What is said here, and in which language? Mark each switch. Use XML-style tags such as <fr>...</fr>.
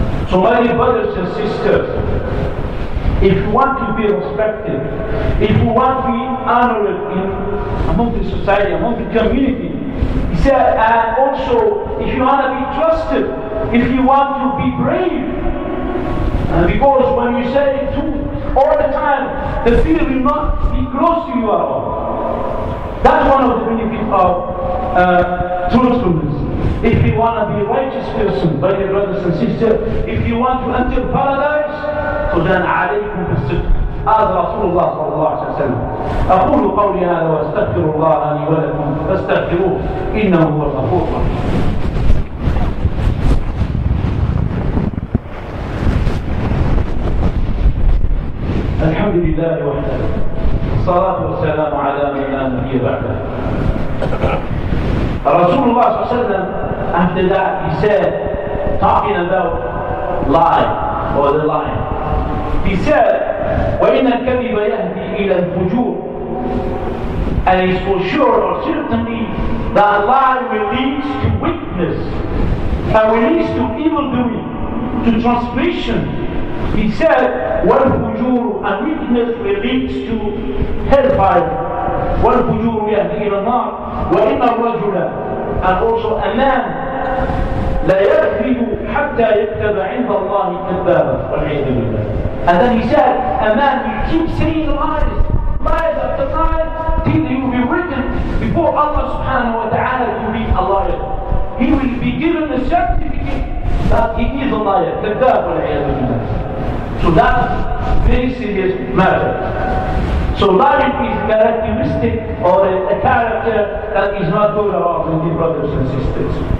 <en>So my brothers and sisters, if you want to be respected, if you want to be honored in among the society, among the community, he said, and also if you want to be trusted, if you want to be brave, because when you say truth all the time, the fear will not be close to you at all. That's one of the benefits of truthfulness. If you want to be a righteous person, by your brothers and sisters, if you want to enter paradise, so then</en> <ar>عليكم بالصدق. هذا رسول الله صلى الله عليه وسلم. أقول قولي هذا واستغفر الله لي ولكم فاستغفروه إنه هو الغفور الرحيم. الحمد لله وحده. الصلاة والسلام على من لا نبي بعده. رسول الله صلى الله عليه وسلم</ar> <en>after that he said, talking about lie or the lie, he said,</en> <ar>وَإِنَّ الْكَذِبَ يَهْدِي إِلَى الْفُجُورِ.</ar> <en>And it's for sure or certainly that lie will lead to weakness and will lead to evil doing, to transgression. He said,</en> <ar>وَالْفُجُورُ.</ar> <en>And weakness will lead to hellfire.</en> <ar>وَالْفُجُورُ يَهْدِي إِلَى النَّارِ. وَإِنَّ الرَّجُلَ.</ar> <en>And also a man,</en> <ar>لَيَكْذِبُ حَتَّى يَكْتَبَ عِنْدَ اللَّهِ كَذَّابًا وَالْعِيَذُ بِاللَّهِ.</ar> <en>And then he said, a man will keep saying lies, lies after lies, till he will be written before Allah subhanahu wa ta'ala to be a liar. He will be given a certificate that he is a liar,</en> <ar>كَذَّابًا وَالْعِيَذُ بِاللَّهِ.</ar> <en>So that's very serious matter. So lying is a characteristic or a character that is not good at all, my brothers and sisters.</en>